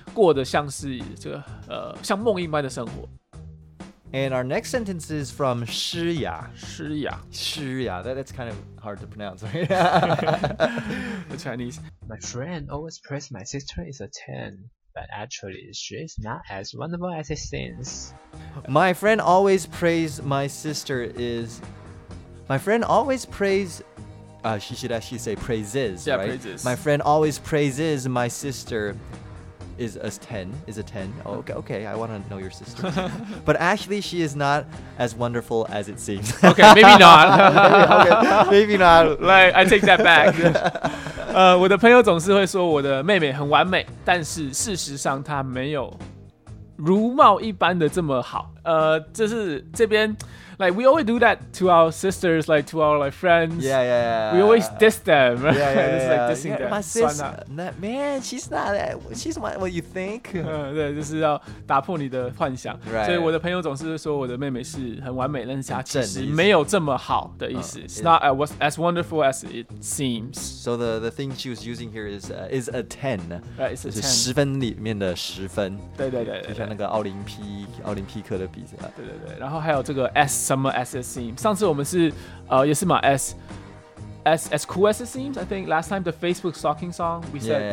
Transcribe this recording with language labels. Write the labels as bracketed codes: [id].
[zh] 过得像是这个像梦一般的生活。 [en] And our next sentence is from Shi Ya. Shi Ya. Shi Ya. That's kind of hard to pronounce. The Chinese. My friend always praises my sister is a 10, but actually she is not as wonderful as it seems. My friend always praises my sister is... My friend always praises... she should actually say praises, yeah, right? Yeah, praises. My friend always praises my sister... Is a 10. Okay, I want to know your sister. But actually, she is not as wonderful as it seems. Okay, maybe not. maybe not. Like, I take that back. [zh] 我的朋友总是会说我的妹妹很完美，但是事实上她没有如貌一般的这么好。就是这边 [en] ，like we always do that to our sisters, like to our like friends. Yeah. We always diss them. Yeah. My sister, man, she's not that. She's what you think. [zh] 对，就是要打破你的幻想。 [en] Right. [zh] 所以我的朋友总是说我的妹妹是很完美，但是她其实没有这么好的意思。 [en] It's not as wonderful as it seems. So the thing she was using here is a 10. Right. It's a 10. [zh] 就是十分里面的十分。对。就像那个奥林匹克。的鼻子啊，对，然后还有这个 [en] as some as it seems， [zh] 上次我们是也是嘛 [en] as cool as it seems， I think last time the Facebook stalking song we said